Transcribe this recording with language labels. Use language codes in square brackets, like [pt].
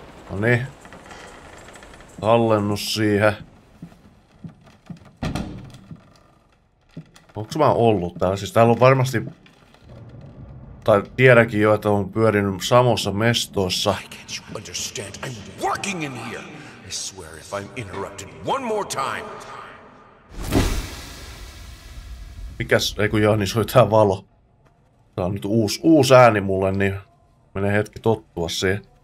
[fi] Noniin. Tallennus siihen. Onks mä ollut täällä? Siis täällä on varmasti... Tai tiedänkin jo, että on pyörinyt samassa mestoissa. [en] I can't you understand? I'm working in here! I swear if I'm interrupted one more time! [fi] Mikäs, ei kun Jani, soi tää valo. Tää on nyt uusi ääni mulle, niin menee hetki tottua siihen.